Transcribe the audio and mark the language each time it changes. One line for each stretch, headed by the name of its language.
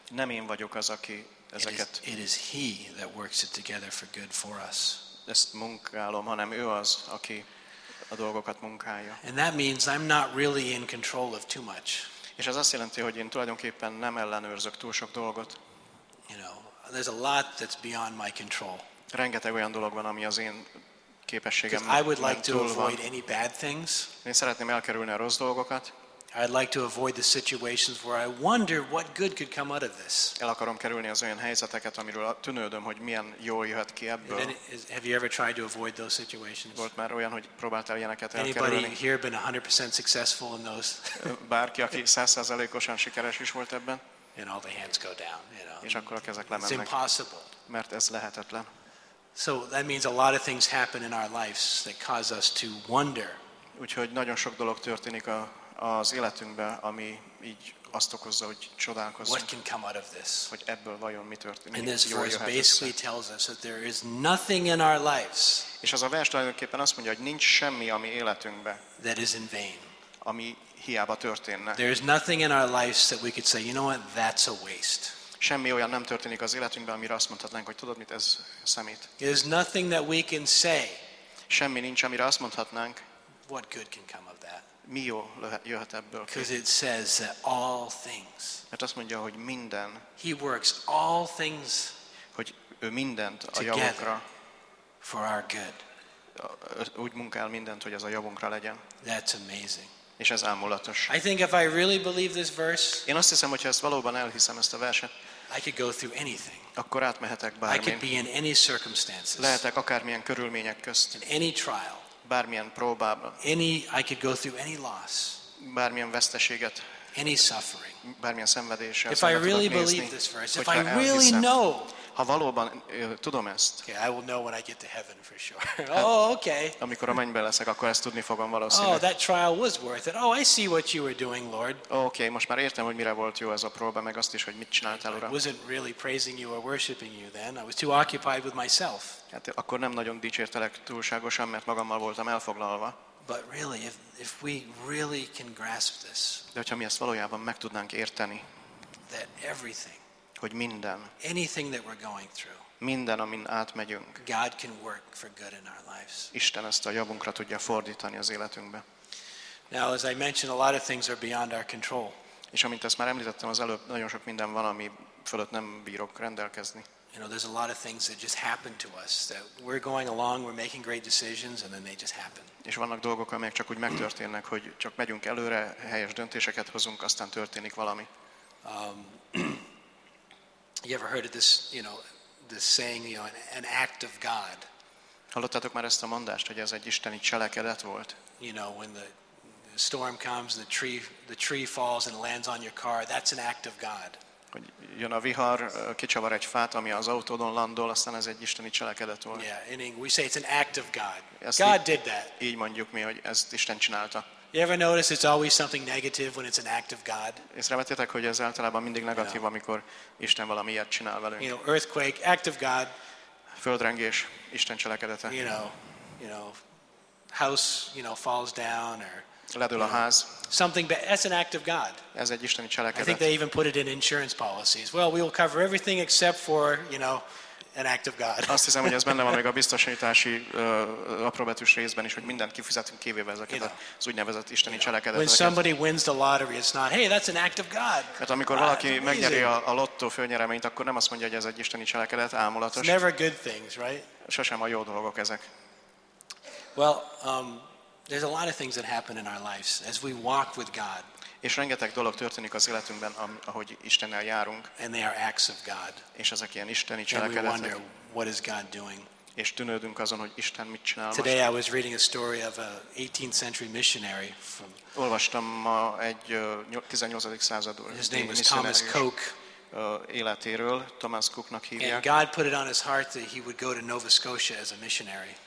Hungarian: Nem én vagyok az, aki ezeket.
English: It is he that works it together for good for us.
Hungarian: Ezt munkálom, hanem ő az, aki a dolgokat munkálja.
English: And that means I'm not really in control of too much.
Hungarian: És ez azt jelenti, hogy én tulajdonképpen nem ellenőrzök túl sok dolgot.
English: There's a lot that's beyond my control.
Hungarian: Rengeteg olyan dolog van, ami az én képességem nem túl van.
English: I would like to avoid any bad things.
Hungarian: Én szeretném elkerülni a rossz dolgokat.
English: I'd like to avoid the situations where I wonder what good could come out of this.
Hungarian: El akarom kerülni az olyan helyzeteket, amiről tűnődöm, hogy milyen jó jöhet ki ebből.
English: Have you ever tried to avoid those situations?
Hungarian: Volt már olyan, hogy próbáltál ilyeneket elkerülni?
English: Anybody here been 100% successful in those?
Hungarian: Bárki, aki 100%-osan sikeres is volt ebben?
English: And all the hands go down,
Hungarian: És akkor a kezek lemennek.
English: It's impossible.
Hungarian: Mert ez lehetetlen.
English: So that means a lot of things happen in our lives that cause us to wonder.
Hungarian: Úgyhogy nagyon sok dolog történik az életünkben, ami így azt okozza, hogy csodálkozunk.
English: What can come out of this?
Hungarian: Hogy ebből vajon mi történik?
English: And this verse basically tells us that there is nothing in our lives.
Hungarian: És az a vers tulajdonképpen azt mondja, hogy nincs semmi, ami életünkben.
English: That is in vain.
Hungarian: Ami hiába történne.
English: There is nothing in our lives that we could say, you know what? That's a waste.
Hungarian: Semmi olyan nem történik az életünkben, amire azt mondhatnánk, hogy tudod mit, ez szemét.
English: There is nothing that we can say.
Hungarian: Semmi nincs, amire azt mondhatnánk.
English: What good can come of that?
Hungarian: Mi jó jöhet ebből?
English: Because it says that all things.
Hungarian: Mert azt mondja, hogy minden.
English: He works all things.
Hungarian: Hogy ő mindent a javunkra.
English: For our good.
Hungarian: Úgy munkál mindent, hogy ez a javunkra legyen.
English: That's amazing.
Hungarian: És ez álmulatos.
English: I think if I really believe this verse.
Hungarian: Én azt hiszem, hogy ezt valóban elhiszem, ezt a verset.
English: I could go through anything.
Hungarian: Akkor átmehetek bármin.
English: I could be in any circumstances.
Hungarian: Lehetek akármilyen körülmények közt.
English: In any trial.
Hungarian: Bármilyen próbában.
English: Any, I could go through any loss.
Hungarian: Bármilyen veszteséget.
English: Any suffering.
Hungarian: Bármilyen szenvedéssel.
English: If I really believe this verse, if I really know.
Hungarian: Ha valóban tudom ezt.
English: Okay, I will know when I get to heaven for sure. Oh, okay.
Hungarian: Amikor a mennybe leszek, akkor ezt tudni fogom valószínűleg.
English: Oh, that trial was worth it. Oh, I see what you were doing, Lord.
Hungarian: Okay, most már értem, hogy mire volt jó ez a próba, meg azt is, hogy mit csináltál, Uram.
English: I wasn't really praising you or worshiping you then. I was too occupied with myself.
Hungarian: Hát akkor nem nagyon dicsértelek túlságosan, mert magammal voltam elfoglalva.
English: But really, if we really can grasp this.
Hungarian: De hogyha mi ezt valójában meg tudnánk érteni.
English: That everything.
Hungarian: Hogy minden.
English: Anything that we're going through.
Hungarian: Minden, amin átmegyünk.
English: God can work for good in our lives.
Hungarian: Isten ezt a javunkra tudja fordítani az életünkbe.
English: Now, as I mentioned, a lot of things are beyond our control.
Hungarian: És amint ezt már említettem az előbb, nagyon sok minden van, ami fölött nem bírok rendelkezni.
English: You know, there's a lot of things that just happen to us that we're going along, we're making great decisions, and then they just happen.
Hungarian: És vannak dolgok, amelyek csak úgy megtörténnek, hogy csak megyünk előre, helyes döntéseket hozunk, aztán történik valami.
English: You ever heard of this, this saying, an act of God?
Hungarian: Hallottátok már ezt a mondást, hogy ez egy isteni cselekedet volt?
English: You know, when the storm comes, the tree falls and lands on your car, that's an act of God.
Hungarian: Hogy jön a vihar, kicsavar egy fát, ami az autódon landol, aztán ez egy isteni cselekedet volt.
English: Yeah, in English, we say it's an act of God. God did that.
Hungarian: Így mondjuk mi, hogy ezt Isten csinálta.
English: You ever notice it's always something negative when it's an act of God?
Hungarian: Észrevettétek, hogy ez általában mindig negatív, amikor Isten valami ilyet csinál velünk.
English: You know, earthquake, act of God.
Hungarian: Földrengés, Isten cselekedete.
English: House, falls down or.
Hungarian: Ledül a ház.
English: Something, that's an act of God.
Hungarian: Ez egy isteni cselekedet.
English: I think they even put it in insurance policies. Well, we will cover everything except for, an act of God.
Hungarian: Azt hiszem, hogy ez benne van még a biztosítási apróbetűs részben is, hogy mindent kifizetünk kivéve ezeket az úgynevezett isteni cselekedeteket.
English: When somebody wins the lottery, it's not, hey, that's an act of God.
Hungarian: Hát amikor valaki megnyeri a lottó főnyereményt, akkor nem azt mondja, hogy ez egy isteni cselekedet, álmulatos.
English: It's never good things, right?
Hungarian: Sosem a jó dolgok ezek.
English: Well, there's a lot of things that happen in our lives as we walk with God.
Hungarian: És rengeteg dolog történik az életünkben, ahogy Istennel járunk.
English: And they are acts of God.
Hungarian: És ezek ilyen isteni cselekedetek.
English: And we wonder, what is God doing?
Hungarian: És tűnődünk azon, hogy Isten mit csinál.
English: Today I was reading a story of an 18th century missionary from.
Hungarian: Olvastam ma egy 18. századi missionáriust.
English: His name was Thomas Cook.
Hungarian: Életéről, Thomas Cooknak hívják.
English: And God put it on his heart that he would go to Nova Scotia as a missionary.